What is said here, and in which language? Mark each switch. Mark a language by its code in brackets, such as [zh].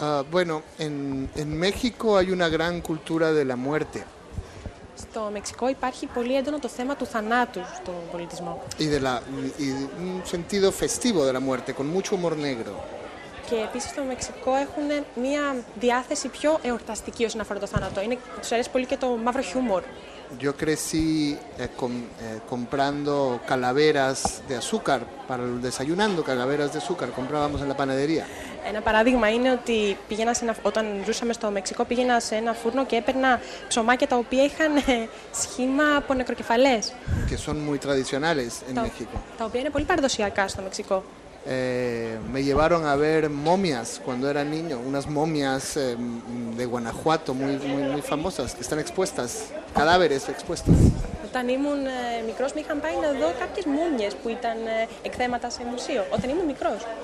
[es] Bueno, en México hay una gran cultura de la muerte. [el] Στο Μεξικό υπάρχει πολύ έντονο το θέμα του θανάτου στον πολιτισμό. [es] Y un sentido festivo de la muerte, con mucho humor negro. [el] Και επίσης στο Μεξικό έχουν μια διάθεση πιο εορταστική όσον αφορά το θάνατο. Τους αρέσει πολύ και το μαύρο χιούμορ. [es] Yo crecí comprando calaveras de azúcar, desayunando calaveras de azúcar, comprábamos en la panadería. [el] Ένα παράδειγμα είναι ότι όταν ζούσαμε στο Μεξικό, πήγαινα σε ένα φούρνο και έπαιρνα ψωμάκια τα οποία είχαν σχήμα από νεκροκεφαλές. [es] Que son muy tradicionales en México. [el] Τα οποία είναι πολύ παραδοσιακά στο Μεξικό. [es] Me llevaron a ver momias cuando era niño, unas momias de Guanajuato muy, muy, muy famosas, que están expuestas, cadáveres expuestos. [el] Όταν ήμουν μικρός, με είχαν πάει να δω κάποιες μούμιες που ήταν εκθέματα σε μουσείο, όταν ήμουν μικρός.